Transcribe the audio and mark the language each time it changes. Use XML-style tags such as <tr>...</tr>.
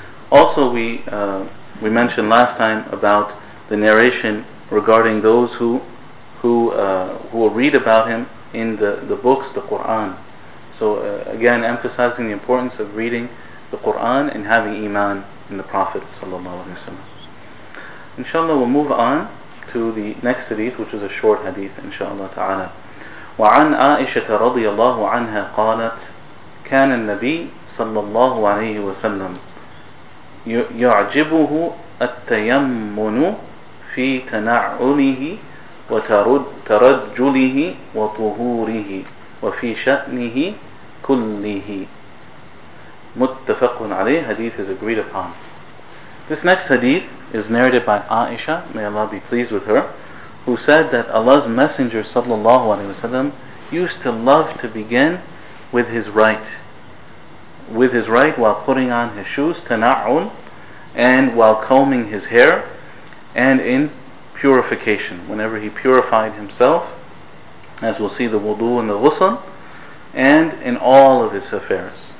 <en>Also we mentioned last time about the narration regarding those who will read about him in the books, the Quran. So again, emphasizing the importance of reading the Quran and having iman in the Prophet sallallahu alaihi wasallam. Inshallah, we'll move on to the next hadith, which is a short hadith, inshallah ta'ala.</en> <ar>وعن عائشة رضي الله عنها قالت كان النبي صلى الله عليه وسلم يعجبه التيمن في تنعمه وترجله وطهوره وفي شأنه كله. متفق عليه.</ar> <en>Hadith is agreed upon. This next hadith is narrated by Aisha, may Allah be pleased with her, who said that Allah's Messenger sallallahu alaihi wasallam used to love to begin with his right, while putting on his shoes, tana'un, and while combing his hair, and in purification, whenever he purified himself, as we'll see, the wudu and the ghusl, and in all of his affairs.</en>